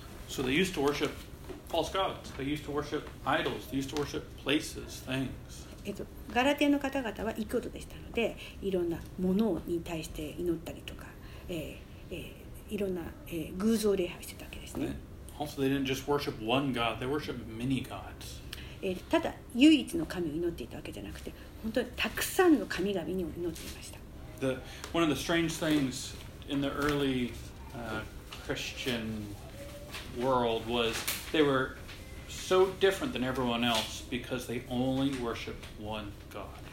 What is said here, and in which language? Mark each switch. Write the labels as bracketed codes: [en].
[en] So they used to worship false gods. They used to worship idols. They used to worship places, things. [ja] ガラテヤの方々は異教徒でしたので、いろんなものに対して祈ったりとか、いろんな、偶像礼拝してたわけですね。 [en] And also, they didn't just worship one god. They worshiped many gods. [ja] ただ唯一の神を祈っていたわけじゃなくて、本当にたくさんの神々にも祈っていました。 [en] One of the strange things in the early Christian world was they were so different than everyone else because they only worshiped one God.